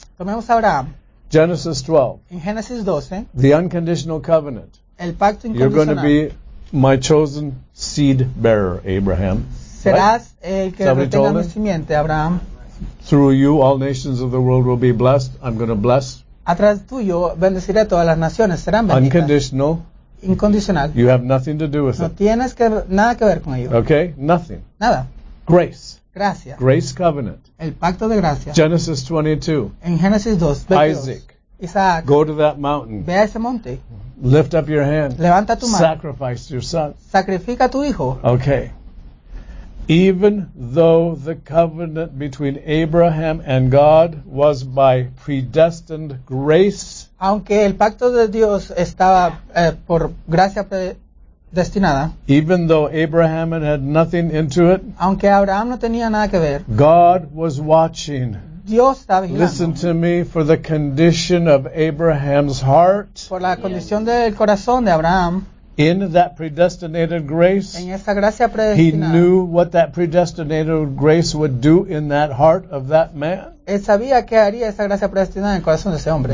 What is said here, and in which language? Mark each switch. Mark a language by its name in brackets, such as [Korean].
[Spanish] Tomemos a Abraham. [English] Genesis 12. [Spanish] En Génesis 12. [English] The unconditional covenant. [Spanish] El pacto incondicional. [English] You're going to be my chosen seed bearer, Abraham. [Spanish] Serás el que retenga mi simiente, Abraham. [English] Through you, all nations of the world will be blessed. I'm going to bless. [Spanish] A través tuyo, bendeciré a todas las naciones. Serán benditas. [English] Unconditional. [Spanish] Incondicional. [English] You have nothing to do with [Spanish] no tienes que, nada que ver con ello. [English] Okay, nothing. [Spanish] Nada. [English] Grace. [Spanish] Gracia. [English] Grace covenant. [Spanish] El pacto de gracia. [English] Genesis 22. [Spanish] En Génesis 2. 22. [English] Isaac. [Spanish] Isaac. [English] Go to that mountain. [Spanish] Ve a ese monte. [English] Lift up your hand. [Spanish] Levanta tu mano. [English] Sacrifice your son. [Spanish] Sacrifica a tu hijo. [English] Okay. Even though the covenant between Abraham and God was by predestined grace, [Spanish] aunque el pacto de Dios estaba por gracia predestinada, [English] even though Abraham had nothing into it, [Spanish] aunque Abraham no tenía nada que ver, [English] God was watching. [Spanish] Dios estaba vigilando. [English] Listen to me, for the condition of Abraham's heart, [Spanish] por la condición del corazón de Abraham. [English] In that predestinated grace, [Spanish] en esa gracia predestinada, [English] he knew what that predestinated grace would do in that heart of that man. [Spanish] Él sabía qué haría esa gracia predestinada en el corazón de ese hombre.